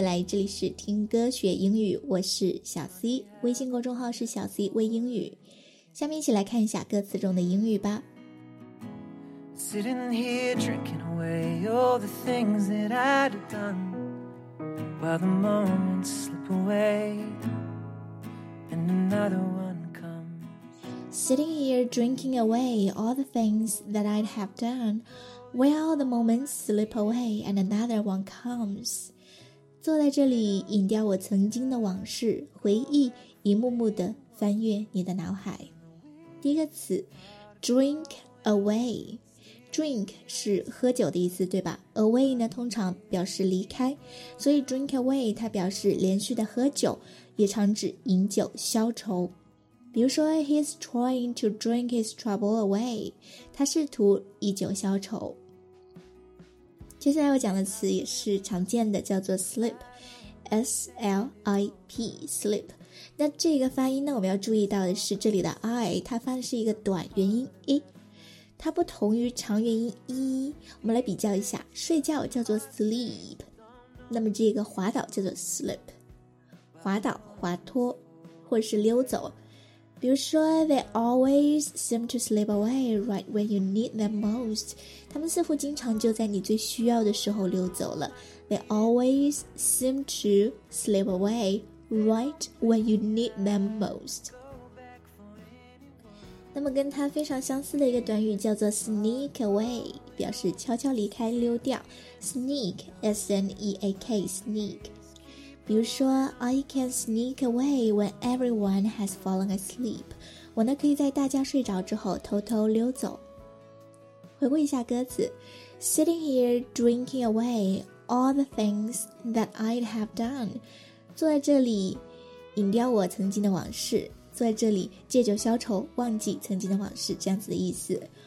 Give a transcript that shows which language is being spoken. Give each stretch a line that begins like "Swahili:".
Chinese: 这里是听歌学英语，我是小 C， 微信公众号是小 C 微英语。下面一起来看一下歌词中的英语吧。
English: Sitting here drinking away all the things that I'd have done while the moments slip away and another one comes. Sitting here drinking away all the things that I'd have done while the moments slip away and another one comes.
Chinese: 坐在这里饮掉我曾经的往事，回忆一幕幕的翻越你的脑海。第一个词 drink away， drink 是喝酒的意思对吧， away 呢通常表示离开，所以 drink away 它表示连续的喝酒，也常指饮酒消愁。比如说
English: he's trying to drink his trouble away，
Chinese: 他试图以酒消愁。接下来我讲的词也是常见的，叫做 slip， S-L-I-P， slip。那这个发音呢，我们要注意到的是这里的 I 它发的是一个短元音 E， 它不同于长元音 E。我们来比较一下，睡觉叫做 sleep， 那么这个滑倒叫做 slip。滑倒、滑脱，或是溜走。比如说
English: they always seem to slip away right when you need them most.
Chinese: 他们似乎经常就在你最需要的时候溜走了。
English: They always seem to slip away right when you need them most.
Chinese: 那么跟它非常相似的一个短语叫做 sneak away, 表示悄悄离开、溜掉。
English: Sneak, S-N-E-A-K, sneak.
Chinese: 比如说
English: I can sneak away when everyone has fallen asleep.
Chinese: 我呢可以在大家睡着之后偷偷溜走。回顾一下歌词
English: Sitting here drinking away all the things that I'd have done.
Chinese: 坐在这里饮掉我曾经的往事，坐在这里借酒消愁，忘记曾经的往事，这样子的意思。